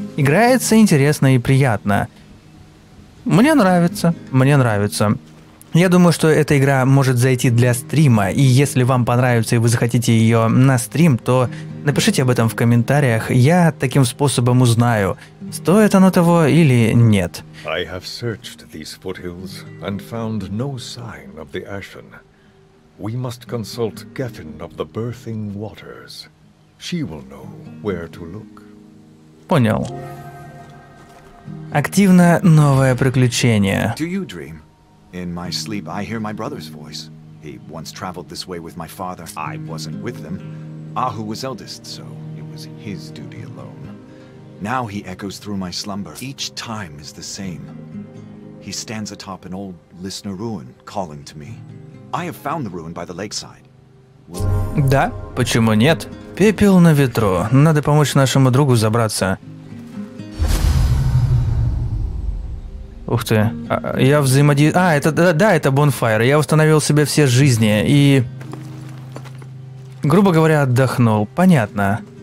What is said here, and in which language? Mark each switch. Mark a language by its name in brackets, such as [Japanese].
[Russian] Играется интересно и приятно. Мне нравится, мне нравится. Я думаю, что эта игра может зайти для стрима, и если вам понравится и вы захотите ее на стрим, то напишите об этом в комментариях, я таким способом узнаю, стоит оно того или нет. [English] I have searched these foothills and found no sign of the Ashen. We must consult Gethin of the Birthing Waters. She will know where to look. [Russian] Понял. Активно новое приключение. [English] Do you dream? In my sleep, I hear my brother's voice. He once traveled this way with my father. I wasn't with them. Ahu was eldest, so it was his duty alone. Now he echoes through my slumber. Each time is the same. He stands atop an old listener ruin, calling to me. I have found the ruin by the lakeside. [Russian] Да? Почему нет? Пепел на ветру. Надо помочь нашему другу забраться. Ух ты, я взаимодействую... А, это, да, это bonfire. Я восстановил себе все жизни и... Грубо говоря, отдохнул. Понятно.